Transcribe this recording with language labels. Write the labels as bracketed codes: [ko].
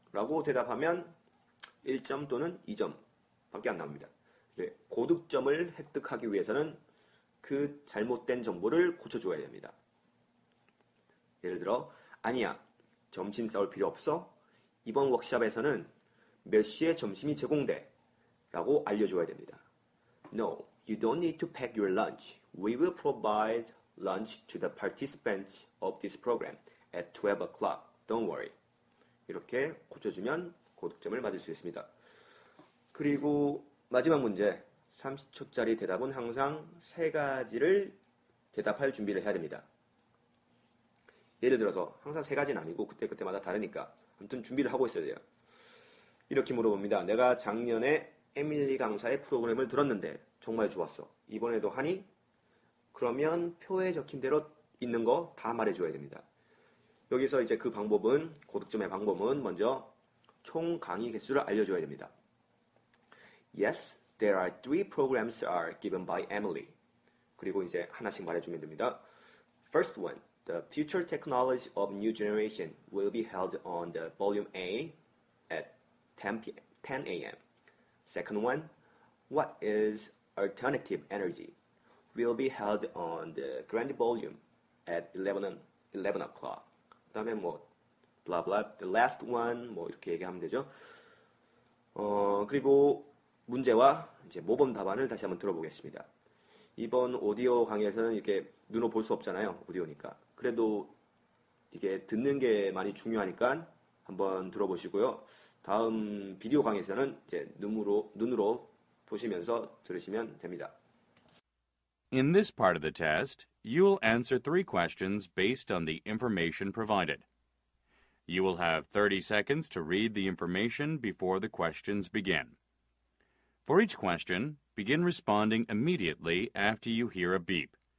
[ko] 라고 대답하면 1점 또는 2점 밖에 안 나옵니다. 이제 고득점을 획득하기 위해서는 그 잘못된 정보를 고쳐줘야 됩니다. 예를 들어, 아니야, 점심 싸울 필요 없어. 이번 워크샵에서는 몇 시에 점심이 제공돼? 라고 알려줘야 됩니다. [en] No, you don't need to pack your lunch. We will provide lunch to the participants of this program at 12 o'clock. Don't worry. [ko] 이렇게 고쳐주면 고득점을 받을 수 있습니다. 그리고 마지막 문제, 30초짜리 대답은 항상 세 가지를 대답할 준비를 해야 됩니다. 예를 들어서 항상 세 가지는 아니고 그때그때마다 다르니까 아무튼 준비를 하고 있어야 돼요. 이렇게 물어봅니다. 내가 작년에 에밀리 강사의 프로그램을 들었는데 정말 좋았어. 이번에도 하니? 그러면 표에 적힌 대로 있는 거 다 말해줘야 됩니다. 여기서 이제 그 방법은 고득점의 방법은 먼저 총 강의 개수를 알려줘야 됩니다. [en] Yes, there are three programs are given by Emily. [ko] 그리고 이제 하나씩 말해주면 됩니다. [en] First one, the future technology of new generation will be held on the volume A at 10 a.m. Second one, what is alternative energy will be held on the grand volume at 11 o'clock. [ko] 그 다음에 뭐 [en] blah blah, the last one, [ko] 뭐 이렇게 얘기하면 되죠. 그리고 문제와 이제 모범 답안을 다시 한번 들어보겠습니다. 이번 오디오 강의에서는 이렇게 눈으로 볼 수 없잖아요. 오디오니까. 그래도 이게 듣는 게 많이 중요하니까 한번 들어보시고요. 다음 비디오 강의에서는 이제 눈으로 보시면서 들으시면 됩니다. [en] In this part of the test, you will answer three questions based on the information provided. You will have 30 seconds to read the information before the questions begin. For each question, begin responding immediately after you hear a beep.